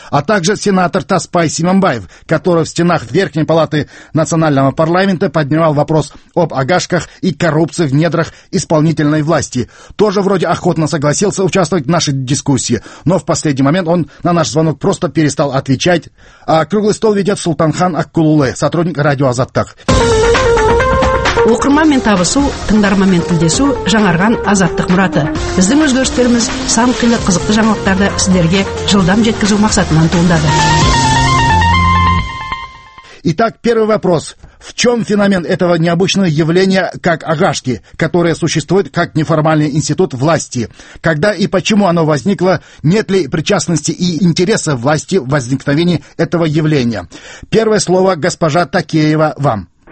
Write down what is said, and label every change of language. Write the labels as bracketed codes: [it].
[ru] А также сенатор Таспай Симамбаев, который в стенах Верхней палаты национального парламента поднимал вопрос об агашках и коррупции в недрах исполнительной власти. Тоже вроде охотно согласился участвовать в нашей дискуссии, но в последний момент он на наш звонок просто перестал отвечать. А круглый стол ведет Сұлтанхан Аққұлұлы, сотрудник радио «Азаттык». [kk] Оқырманмен табысу, тыңдарманмен тілдесу жаңарған «Азаттық» мұраты. Біздің өзгерістеріміз сан қилы қызықты жаңалықтарды сіздерге жылдам жеткізу мақсатынан туындады. [ru] Итак, первый вопрос. В чем феномен этого необычного явления, как агашки, которое существует как неформальный институт власти? Когда и почему оно возникло? Нет ли причастности и интереса власти в возникновении этого явления? Первое слово госпожа Такеева вам.